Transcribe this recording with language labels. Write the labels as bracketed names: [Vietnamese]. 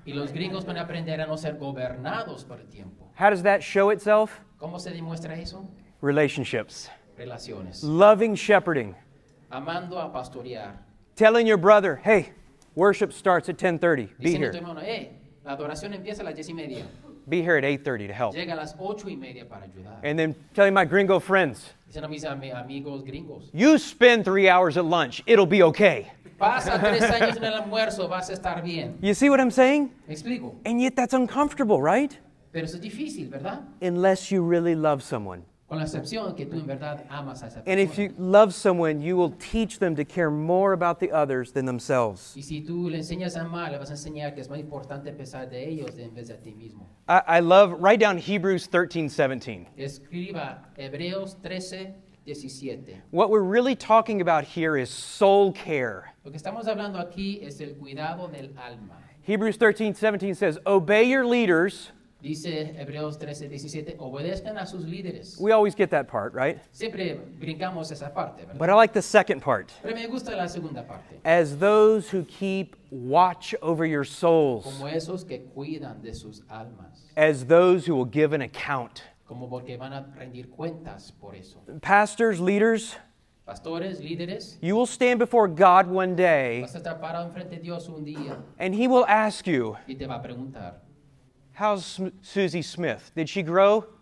[Spanish] Y los gringos pueden aprender a no ser gobernados por el tiempo. [English] How does that show itself? [Spanish] ¿Cómo se demuestra eso? [English] Relationships. [Spanish] Relaciones. [English] Loving shepherding. [Spanish] Amando a pastorear. [English] Telling your brother, hey, worship starts at 10:30. Be here. [Spanish] Hermano, hey, la adoración empieza a las 10 y media. [English] Be here at 8:30 to help. [Spanish] Llega a las 8 y media para ayudar. [English] And then telling my gringo friends, [Spanish] dicen a mis amigos gringos, [English] you spend 3 hours at lunch, it'll be okay. [Spanish] Pasa tres años en el almuerzo, vas a estar bien. [English] You see what I'm saying? [Spanish] Me explico. [English] And yet that's uncomfortable, right? [Spanish] Pero eso es difícil, ¿verdad? [English] Unless you really love someone. [Spanish] Con la excepción que tú en verdad amas a esa persona. [English] And if you love someone, you will teach them to care more about the others than themselves. [Spanish] Y si tú le enseñas a amar, le vas a enseñar que es más importante pensar de ellos en vez de a ti mismo. [English] I love, write down Hebrews 13:17. [Spanish] Escriba Hebreos 13:17. [English] What we're really talking about here is soul care. [Spanish] Lo que estamos hablando aquí es el cuidado del alma. [English] Hebrews 13:17 says, obey your leaders. [Spanish] Dice Hebreos 13:17, obedezcan a sus líderes. [English] We always get that part, right? [Spanish] Siempre brincamos esa parte, ¿verdad? [English] But I like the second part. [Spanish] Pero me gusta la segunda parte. [English] As those who keep watch over your souls. [Spanish] Como esos que cuidan de sus almas. [English] As those who will give an account. [Spanish] Como porque van a rendir cuentas por eso. [English] Pastors, leaders. [Spanish] Pastores, líderes. [English] You will stand before God one day. [Spanish] Vas a estar parado enfrente de Dios un día. [English] And he will ask you. [Spanish] Y te va a preguntar. [English] How's Susie Smith? Did she grow?